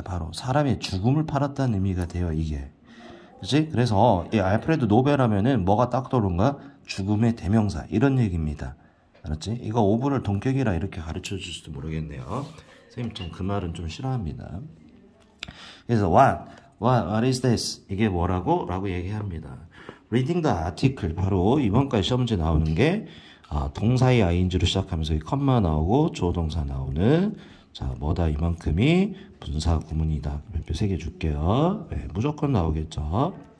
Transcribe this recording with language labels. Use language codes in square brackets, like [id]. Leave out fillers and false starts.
[ko] 바로 사람의 죽음을 팔았다는 의미가 돼요, 이게. 그치? 그래서 이 알프레드 노벨 하면은 뭐가 딱 떠오른가? 죽음의 대명사 이런 얘기입니다. 알았지? 이거 오브를 동격이라 이렇게 가르쳐 줄 수도 모르겠네요. 선생님 좀그 말은 좀 싫어합니다. 그래서 [en] what is this? [ko] 이게 뭐라고 얘기합니다. [en] reading the article [ko] 바로 이번 과에 시험지 나오는 게 동사의 ing로 시작하면서 이 컴마 나오고 조동사 나오는. 자, 뭐다 이만큼이 분사 구문이다. 몇개 줄게요. 네, 무조건 나오겠죠.